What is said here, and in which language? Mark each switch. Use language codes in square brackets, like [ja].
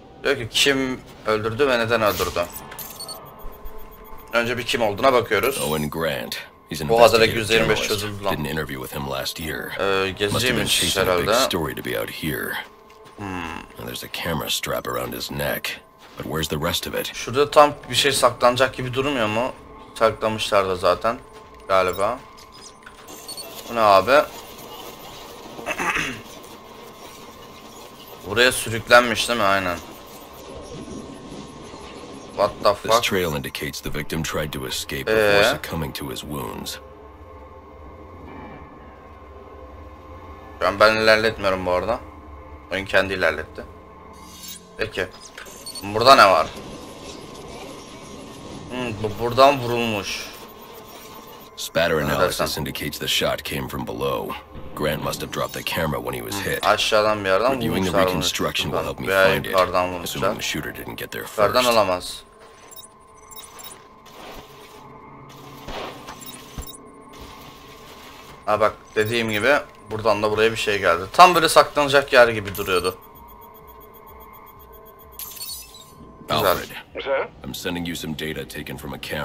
[tr] Diyor ki kim öldürdü ve neden öldürdü? Önce bir kim olduğuna bakıyoruz. [en] Owen Grant. He's an investigative journalist. Did an interview with him last year. [tr] Gezeceğimiz herhalde. [en] Story to be out here. And there's a camera strap around his neck. But where's the rest of it? [tr] Şurada tam bir şey saklanacak gibi durmuyor mu? Saklamışlar da zaten galiba. Bu ne abi? Buraya sürüklenmiş değil mi? Aynen. [en] What the fuck? This trail indicates the victim tried to escape before succumbing to his wounds. [tr] Şu an ben ilerletmiyorum bu arada. Oyun kendi ilerletti. Peki. Burada ne var? Buradan vurulmuş. [en] Spatter analysis indicates the shot came from below. Grant must have dropped the camera when he was hit. [tr] Aşağıdan bir yerden vurmuş. [en] Reviewing the reconstruction will help me find it. Assuming the shooter didn't get there first. [tr] Yukarıdan alamaz. Ha bak, dediğim gibi buradan da buraya bir şey geldi. Tam böyle saklanacak yer gibi duruyordu. [en] Alfred, I'm sending you some data taken from a camera.